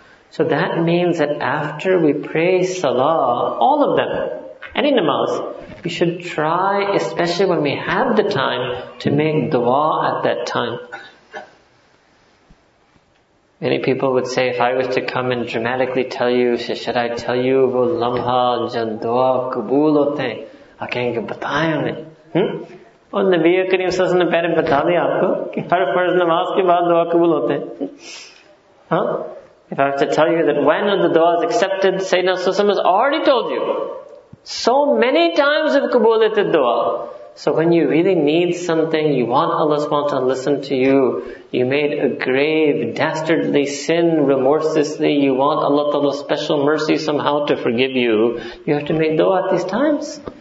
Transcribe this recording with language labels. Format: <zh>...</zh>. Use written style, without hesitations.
<en>So that means that after we pray salah, all of them, any namaz, we should try, especially when we have the time, to make dua at that time. Many people would say, if I was to come and dramatically tell you, should I tell you,</en> <ur>وہ لمحہ جب دعا قبول ہوتے ہیں،</ur> <en>I can't give</en> <ur>بتایا ہمیں۔ اور نبی کریم صلی اللہ علیہ وسلم نے پہلے بتا دیا آپکو، کہ ہر فرض نماز کے بعد دعا قبول ہوتے ہیں۔</ur> <en>If I have to tell you that when the dua is accepted, Sayyidina Sussam has already told you. So many times of qubooliyat dua. So when you really need something, you want Allah SWT to listen to you, you made a grave, dastardly sin remorselessly, you want Allah's special mercy somehow to forgive you, you have to make dua at these times.</en>